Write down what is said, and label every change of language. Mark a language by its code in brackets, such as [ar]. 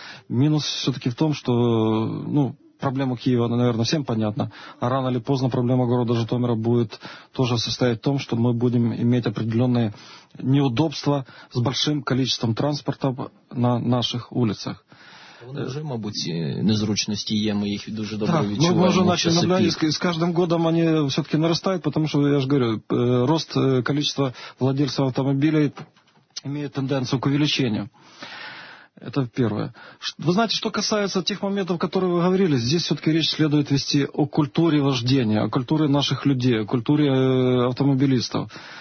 [ru] Минус все-таки в том, что, ну, проблема Киева, наверное, всем понятна, а рано или поздно проблема города Житомира будет тоже состоять в том, что мы будем иметь определенные неудобства с большим количеством транспорта на наших улицах. [uk] Вони вже, мабуть, незручності є, ми їх дуже добре так, відчуваємо. Ми вже наче наблюдаємо, і з кожним годом вони все-таки наростають, тому що, я ж говорю, рост кількості владельців автомобілів має тенденцію [ru] к увеличению. Это первое. Вы знаете, что касается тех моментов, которые вы говорили, здесь все-таки речь следует вести о культуре вождения, о культуре наших людей, о культуре автомобилистов.